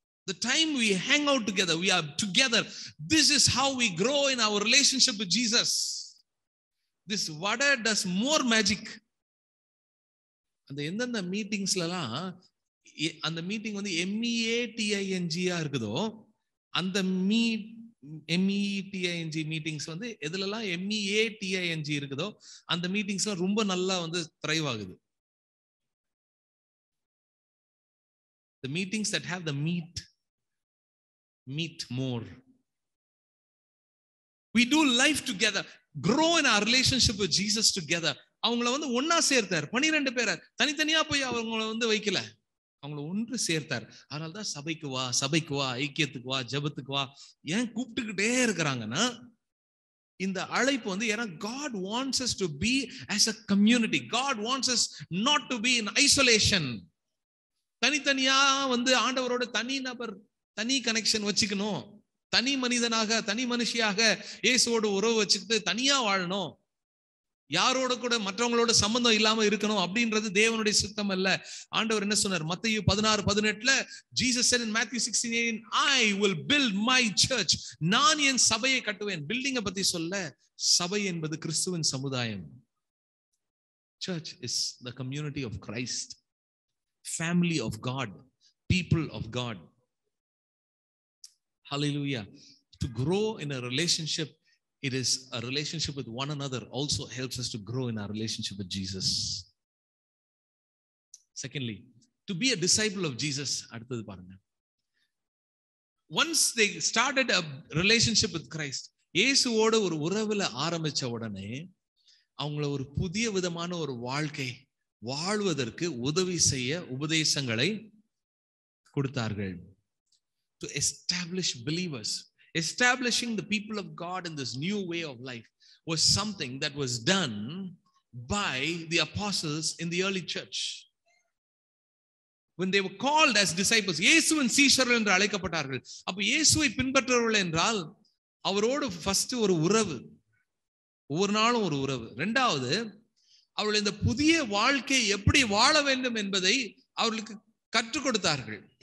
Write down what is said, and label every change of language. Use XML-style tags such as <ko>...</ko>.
<en>The time we hang out together, we are together. This is how we grow in our relationship with Jesus. This vada does more magic.</en> <ta>அந்த எந்தெந்த மீட்டிங்ஸ்லாம் அந்த meeting வந்து M-E-A-T-I-N-G-ஆ இருக்குதோ அந்த M-E-T-I-N-G meetings வந்து எதுலலாம் M-E-A-T-I-N-G இருக்குதோ அந்த மீட்டிங்ஸ்லாம் ரொம்ப நல்லா வந்து த்ரைவ் ஆகுது.</ta> <en>The meetings that have the meet more. We do life together, grow in our relationship with Jesus together.</en> <ta>அவங்கள வந்து ஒண்ணா சேர்த்தார். 12 பேரை தனித்தனியா போய் அவங்களை வந்து வைக்கல, அவங்களை ஒன்று சேர்த்தார். அதனால தான் சபைக்கு வா, சபைக்கு வா, ஐக்கியத்துக்கு வா, ஜபத்துக்கு வா, ஏன் கூப்பிட்டுக்கிட்டே இருக்கிறாங்கன்னா இந்த அழைப்பு வந்து, ஏன்னா</ta> <en>God wants us to be as a community. God wants us not to be in isolation.</en> <ta>தனித்தனியா வந்து ஆண்டவரோட தனி நபர் தனி கனெக்ஷன் வச்சுக்கணும். தனி மனிதனாக தனி மனுஷியாக இயேசுவோட உறவு வச்சுக்கிட்டு தனியா வாழணும். யாரோட கூட மற்றவங்களோட சம்பந்தம் இல்லாம இருக்கணும் அப்படின்றது தேவனுடைய சித்தம் அல்ல. ஆண்டவர் என்ன சொன்னார் மத்தேயு 16:18 Jesus</ta> <en>said in Matthew 16:18 I will build my church.</en> <ta>நான் என் சபையை கட்டுவேன். பில்டிங்கை பத்தி சொல்ல சபை என்பது கிறிஸ்துவின் சமுதாயம்.</ta> <en>Church is the community of Christ, family of God, people of God. Hallelujah. To grow in a relationship, it is a relationship with one another also helps us to grow in our relationship with Jesus. Secondly, to be a disciple of Jesus,</en> <ta>அடுத்தது பாருங்க.</ta> <en>Once they started a relationship with Christ,</en> <ta>இயேசுவோட ஒரு உறவுல ஆரம்பிச்ச உடனே அவங்களை ஒரு புதிய விதமான ஒரு வாழ்க்கை வாழ்வதற்கு உதவி செய்ய உபதேசங்களை கொடுத்தார்கள்.</ta> <en>To establish believers, establishing the people of God in this new way of life was something that was done by the apostles in the early church. When they were called as disciples,</en> <ta>இயேசுவின் சீஷர்கள் என்று அழைக்கப்பட்டார்கள். அப்ப இயேசுவை பின்பற்றவர்கள் என்றால் அவரோடு first ஒரு உறவு, ஒவ்வொரு நாளும் ஒரு உறவு. ரெண்டாவது அவர்கள் இந்த புதிய வாழ்க்கையை எப்படி வாழ வேண்டும் என்பதை அவர்களுக்கு கற்றுக் கொடுத்தார்கள்.</ta>